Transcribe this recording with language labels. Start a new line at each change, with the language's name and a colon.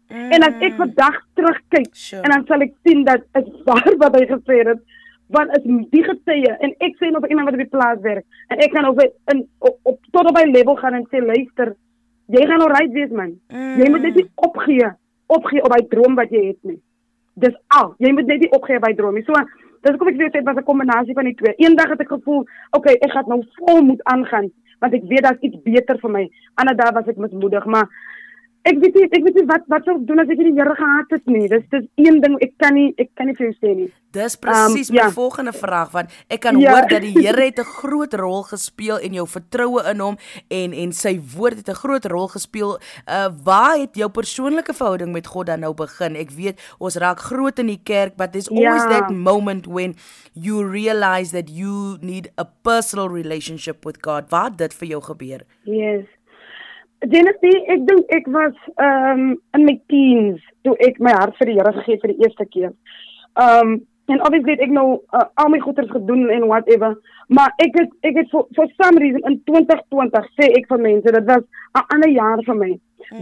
Afrikaans: En as ek vandag terugkyk, en dan sal ek sien dat is waar wat hy gesê het, want is die getuie, en ek sê nog iemand wat op die plaas werk, en ek gaan tot op my level gaan en sê, luister, jy gaan al right wees, man. Mm. Jy moet net nie opgee op die droom wat jy het nie. Dis al, jy moet net nie opgee op die droom nie. So, dis ook wat ek vir jou sê, was 'n kombinasie van die twee. Eendag het ek gevoel, okay, ek gaat nou vol moed aangaan, want ek weet dat is iets beter vir my. Ander dag was ek mismoedig, maar Ek weet nie wat sal doen as ek hierdie Here gehad het nie. Dis een ding, ek kan nie vir jou sê nie. Dis presies my volgende vraag, want ek kan hoor dat die Here het 'n groot rol gespeel in jou vertroue in hom en sy woord het 'n groot rol gespeel. Waar het jou persoonlike verhouding met God dan nou begin? Ek weet, ons raak groot in die kerk,
English: but there's always that moment when you realize that you need a personal relationship with God.
Afrikaans: Waar dit vir jou gebeur?
English: Yes.
Afrikaans: Jenna-Leigh, ek dink ek was in my teens, toe ek my hart vir die Here gegee het vir die eerste keer. En obviously het ek nou al my goeders gedoen en whatever, maar ek het
English: for some reason
Afrikaans: in 2020, sê ek vir mense, dit was 'n ander jaar vir my. Mm.